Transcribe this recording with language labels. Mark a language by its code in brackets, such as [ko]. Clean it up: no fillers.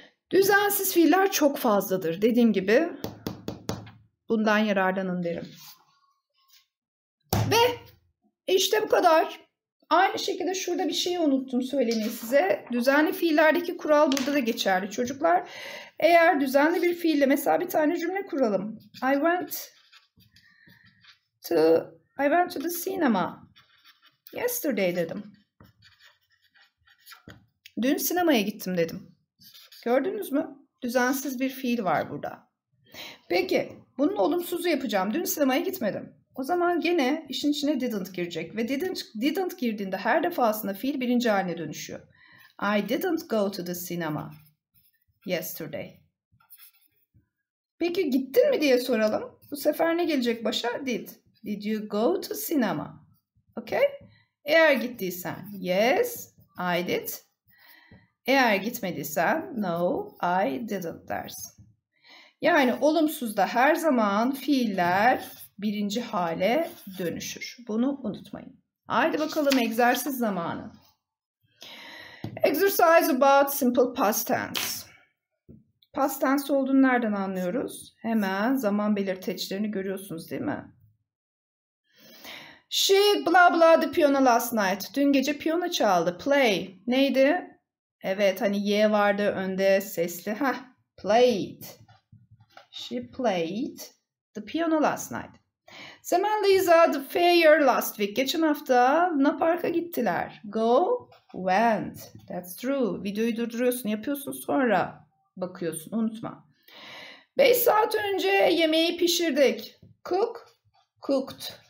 [tr] Düzensiz fiiller çok fazladır. Dediğim gibi bundan yararlanın derim. Ve işte bu kadar. Aynı şekilde şurada bir şeyi unuttum söylemeyi size. Düzenli fiillerdeki kural burada da geçerli çocuklar. Eğer düzenli bir fiille, mesela bir tane cümle kuralım. [en] I went to the cinema yesterday [tr] dedim. Dün sinemaya gittim dedim. Gördünüz mü? Düzensiz bir fiil var burada. Peki, bunun olumsuzu yapacağım. Dün sinemaya gitmedim. O zaman gene işin içine didn't girecek. Ve didn't girdiğinde her defasında fiil birinci haline dönüşüyor. [en] I didn't go to the cinema yesterday. [tr] Peki, gittin mi diye soralım. Bu sefer ne gelecek başa? Did. [en] Did you go to cinema? Okay? [tr] Eğer gittiysen, [en] yes, I did. [tr] Eğer gitmediysen, [en] no, I didn't [tr] dersin. Yani olumsuzda her zaman fiiller birinci hale dönüşür. Bunu unutmayın. Haydi bakalım egzersiz zamanı. [en] Exercise about simple past tense. [tr] Past tense olduğunu nereden anlıyoruz? Hemen zaman belirteçlerini görüyorsunuz değil mi? [en] She blah blah the piano last night. [tr] Dün gece piyano çaldı. Play. Neydi? Evet, hani ye vardı önde sesli. [en] Heh, played. She played the piano last night. Sam and Lisa the fair last week. [tr] Geçen hafta Luna Park'a gittiler. Go, went. [en] That's true. [tr] Videoyu durduruyorsun, yapıyorsun, sonra bakıyorsun. Unutma. 5 saat önce yemeği pişirdik. Cook, cooked.